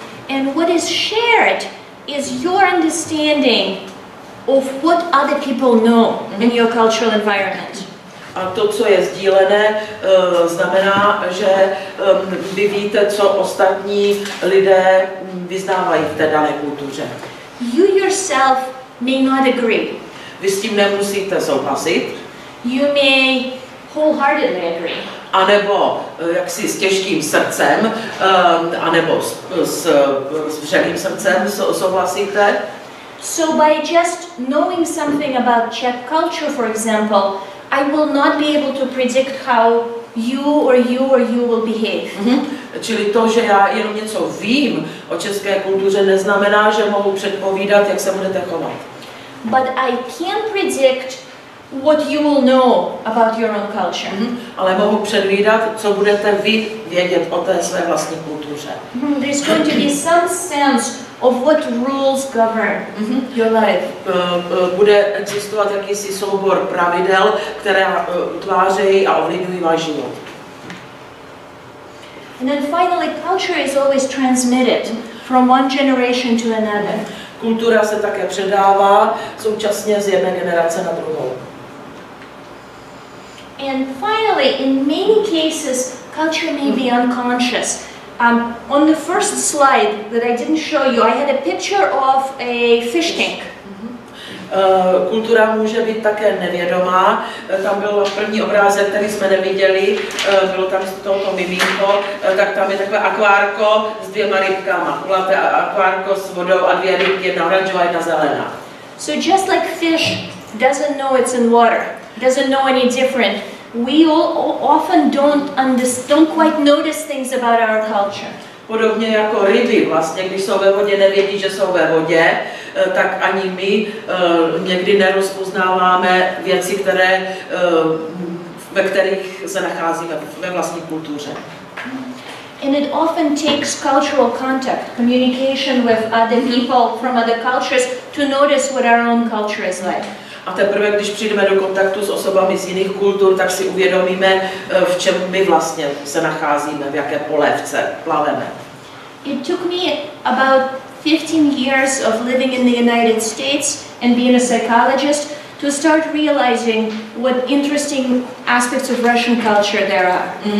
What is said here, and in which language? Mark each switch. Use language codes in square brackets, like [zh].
[en] And what is shared is your understanding of what other people know in your cultural environment. [cs] A to, co je sdílené, znamená, že vy víte, co ostatní lidé vyznávají v té dané kultuře. [en] You yourself may not agree. [cs] Vy s tím nemusíte souhlasit. [en] You may wholeheartedly agree. [cs] A nebo jaksi s těžkým srdcem, a nebo s vřelým srdcem souhlasíte. [en] So by just knowing something about Czech culture, for example, I will not be able to predict how you will behave. Mm-hmm. [cs] Čili to, že já jenom něco vím o české kultuře, neznamená, že mohu předpovídat, jak se budete chovat. [en] But I can predict what you will know about your own culture. Mm-hmm. [cs] Ale mohu předvídat, co budete vy vědět o té své vlastní kultuře. Mm-hmm. [en] There's going to be some sense of what rules govern your life. [cs] Bude existovat jakýsi soubor pravidel, které utvářejí a ovlivňují váš život. [en] And then finally, culture is always transmitted from one generation to another. [cs] Kultura se také předává současně z jedné generace na druhou. [en] And finally, in many cases, culture may be unconscious. On the first slide that I didn't show you, I had a picture of a fish tank. [cs] Kultura může být také nevědomá. Tam byl první obrázek, který jsme neviděli. Bylo tam toto mimínko. Tak tam je takové akvárko s dvěma rybkama. Kulaté akvárko s vodou a dvě rybky, jedna oranžová, jedna zelená. [en] So just like fish doesn't know it's in water, doesn't know any different, we all often don't quite notice things about our culture. [cs] Podobně jako ryby, vlastně, když jsou ve vodě, nevědí, že jsou ve vodě, tak ani my někdy nerozpoznáváme věci, které, ve kterých se nacházíme ve vlastní kultuře. [en] And it often takes cultural contact, communication with other people from other cultures to notice what our own culture is like. [cs] A teprve, když přijdeme do kontaktu s osobami z jiných kultur, tak si uvědomíme, v čem my vlastně se nacházíme, v jaké polévce plaveme. [en] It took me about 15 years of living in the United States and being a psychologist to start realizing what interesting aspects of Russian culture there are.